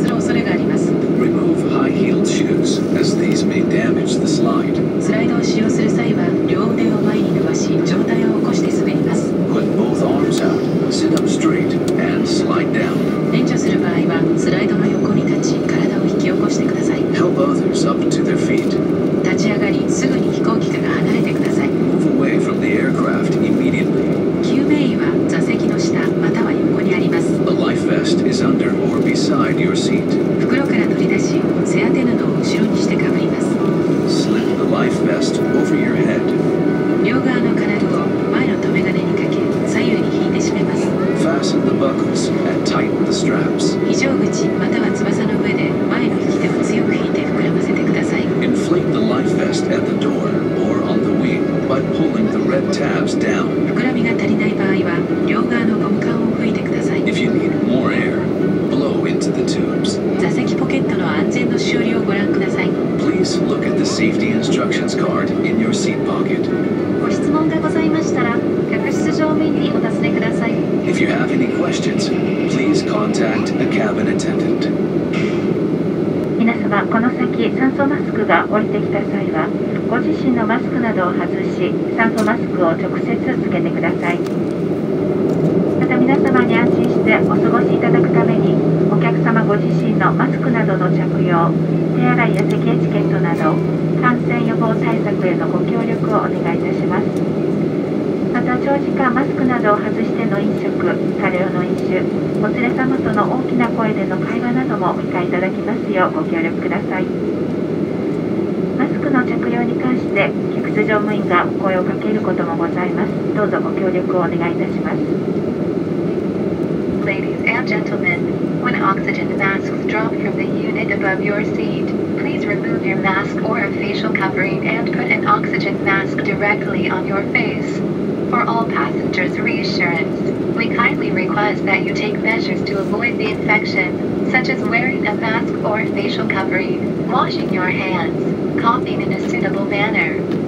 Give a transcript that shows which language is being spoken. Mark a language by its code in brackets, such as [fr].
[en] Remove high-heeled shoes, as these may damage the slide. [ja] スライドを使用する際は、両腕を前に伸ばし、上体を起こして滑ります。 [en] Put both arms out, sit up straight, and slide down. [ja] 援助する場合は、スライドの横に立ち、体を引き起こしてください。 [en] Help others up to their feet. [ja] 立ち上がり、すぐに飛行機から離れてください。 [en] Move away from the aircraft immediately. [ja] 救命衣は座席の下または横にあります。 [en] A life vest is under or beside your seat. [ja] 袋から取り出し、背当て布を後ろにしてかぶります。 [en] Slip the life vest over your head. [ja] 両側の金具を前の留め金にかけ、左右に引いて締めます。 [en] Fasten the buckles and tighten the straps. [ja] 非常口または翼の上で前の引き手を強く引いて膨らませてください。 [en] Inflate the life vest at the door or on the wing. By pulling the red tabs down. [ja] 膨らみが足りない場合は、両側のゴム管を吹いてください。 [en] If you need more air, blow into the tubes. [ja] 座席ポケットの安全の修理をご覧ください。 [en] Please look at the safety instructions card in your seat pocket. [ja] ご質問がございましたら、客室乗務員にお尋ねください。 [en] If you have any questions, please contact a cabin attendant. [ja] 皆様、この先酸素マスクが降りてきた際は、ご自身のマスクなどを外し、酸素マスクを直接つけてください。また皆様に安心してお過ごしいただくために、お客様ご自身のマスクなどの着用、手洗いや咳エチケットなど、感染予防対策へのご協力をお願いいたします。また長時間マスクなどを外しての飲食、過量の飲酒、お連れ様との大きな声での会話などもお控えいただきますようご協力ください。マスクの着用に関して客室乗務員が声をかけることもございます。どうぞご協力をお願いいたします。 [en] Ladies and gentlemen, when oxygen masks drop from the unit above your seat, please remove your mask or a facial covering and put an oxygen mask directly on your face. For all passengers' reassurance, we kindly request that you take measures to avoid the infection, such as wearing a mask or facial covering, washing your hands, coughing in a suitable manner.